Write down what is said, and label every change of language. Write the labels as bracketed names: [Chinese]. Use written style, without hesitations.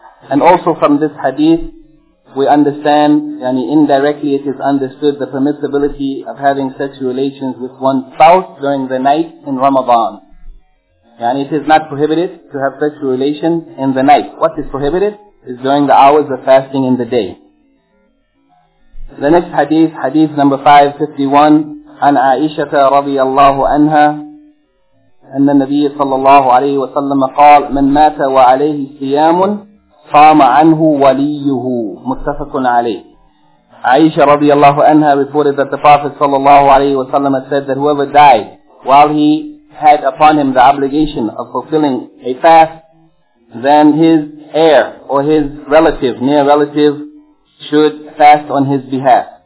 [English] And also from this hadith, we understand, yani indirectly it is understood, the permissibility of having sexual relations with one's spouse during the night in Ramadan. And it is not prohibited to have sexual relations in the night. What is prohibited is during the hours of fasting in the day. The next hadith, hadith number 551, [Arabic] عن عائشة رضي الله عنها أن النبي صلى الله عليه وسلم قال من مات وعليه صيام صام عنه وليه. متفق عليه. [English] عائشة رضي الله عنها reported that the Prophet صلى الله عليه وسلم said that whoever died while he had upon him the obligation of fulfilling a fast, then his heir or his relative, near relative, should fast on his behalf.